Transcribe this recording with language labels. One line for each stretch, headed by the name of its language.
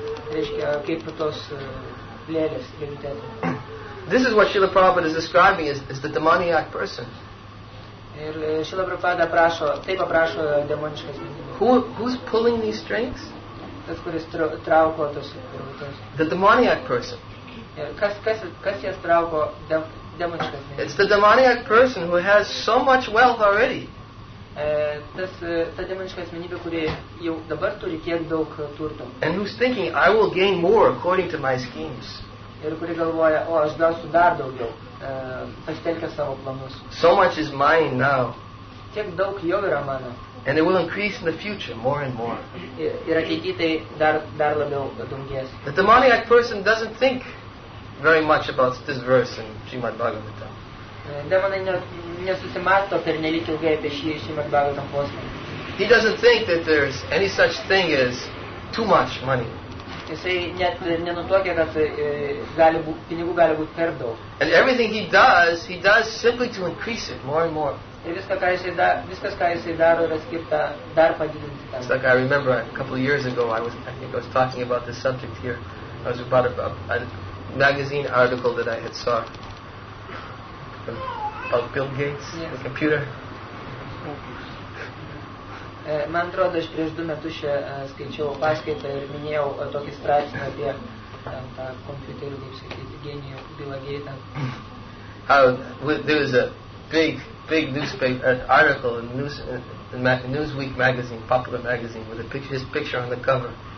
Lithuanian: Reiškia, kaip tos lėlės virvutės.
English: This is what Srila Prabhupada is describing as the demoniac person.
Lithuanian: Ir Šila Prabhupada prašo, taip paprašo demoniškas.
English: Who's pulling these strings?
Lithuanian: Tas, kuris trauko tos virvutės.
English: The demoniac person.
Lithuanian: Kas jas trauko demoniškas?
English: It's the demoniac person who has so much wealth already.
Lithuanian: Tas ta demoniška asmenybė, kuri jau dabar turi tiek daug turto.
English: And who's thinking, I will gain more according to my schemes.
Lithuanian: Ir kuri galvoja, o aš gausiu dar daugiau. Pasitelkia savo planus.
English: So much is mine now.
Lithuanian: Tiek daug jo yra mano.
English: And it will increase in the future more and more.
Lithuanian: Ir ateity tai dar labiau daugės.
English: The demoniac person doesn't think very much about this verse in Srimad Bhagavatam.
Lithuanian: Demonai nesusimasto pernelyg ilgai apie šį Srimad Bhagavatam posmą.
English: He doesn't think that there's any such thing as too much money.
Lithuanian: Jisai net nenutokia, kad pinigų gali būti per daug.
English: And everything he does simply to increase it more and more.
Lithuanian: Ir viskas, ką jisai daro, yra skirta dar padidinti.
English: It's like I remember a couple of years ago, I think I was talking about this subject here. I was about magazine article that I had saw about Bill Gates, yes. The computer.
Lithuanian: Man atrodo, aš prieš du metus čia skaičiau paskaitą ir minėjau tokį straipsnį apie tą kompiuterį, kaip sakyti, genijų Bill Gates.
English: There was a big newspaper article in Newsweek magazine, popular magazine, with his picture on the cover.